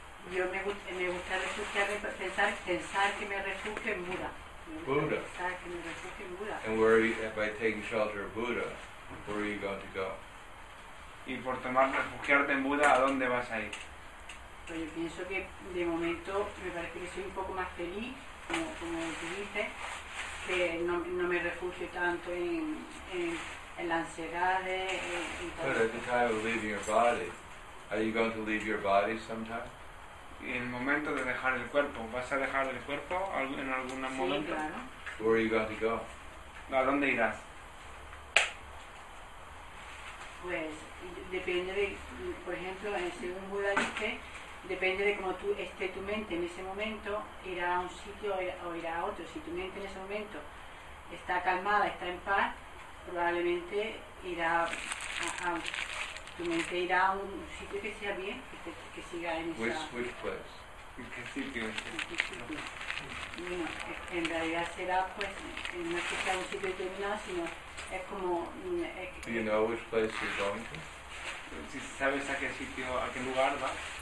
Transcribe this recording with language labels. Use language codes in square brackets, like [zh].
[es] Yo me gusta refugiarme, pensar que me refugio en Buda. [en] Buddha. [es] Pensar que me refugio en Buda. [en] And where are you, by taking shelter of Buddha, where are you going to go? [es] Y por tomar refugiarte en Buda, ¿a dónde vas a ir? [en] Yeah. [es] pero yo pienso que de momento me parece que soy un poco más feliz, como tú dices, que no me refugio tanto en la ansiedad. [en] But at the time of leaving your body, are you going to leave your body sometime? [es] En el momento de dejar el cuerpo, ¿vas a dejar el cuerpo en algún momento? Sí, claro. [en] Where are you going to go? [es] ¿A dónde irás? Pues depende de, por ejemplo, según Buda dice, depende de cómo tú esté tu mente en ese momento, irá a un sitio o irá a otro. Si tu mente en ese momento está calmada, está en paz, probablemente irá a tu mente irá a un sitio que sea bien, que siga en esa. [en] Which place? [es] ¿En qué sitio? Bueno, en realidad será pues no es que sea un sitio determinado, sino es como. [en] Do you know which place you're going to? [es] Si sabes a qué sitio, a qué lugar vas.